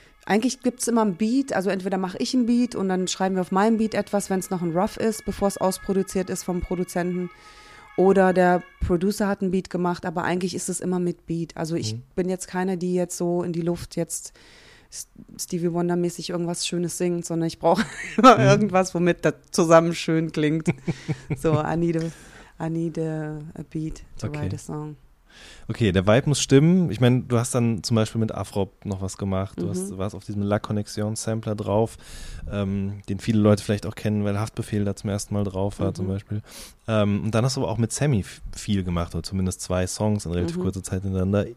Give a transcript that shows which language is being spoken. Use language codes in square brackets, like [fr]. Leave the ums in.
[de] Eigentlich gibt es immer einen Beat, also entweder mache ich einen Beat und dann schreiben wir auf meinem Beat etwas, wenn es noch ein Rough ist, bevor es ausproduziert ist vom Produzenten. Oder der Producer hat einen Beat gemacht, aber eigentlich ist es immer mit Beat. Also ich bin jetzt keine, die jetzt so in die Luft jetzt Stevie Wonder mäßig irgendwas Schönes singt, sondern ich brauche immer irgendwas, womit das zusammen schön klingt. [en] so, I need a, I need a, a beat to Okay. write a song. [de] Okay, der Vibe muss stimmen. Ich meine, du hast dann zum Beispiel mit Afrop noch was gemacht. Du hast, warst auf diesem La Connexion Sampler drauf, ähm, den viele Leute vielleicht auch kennen, weil Haftbefehl da zum ersten Mal drauf war zum Beispiel. Ähm, und dann hast du aber auch mit Sammy f- viel gemacht oder zumindest zwei Songs in relativ kurzer Zeit hintereinander.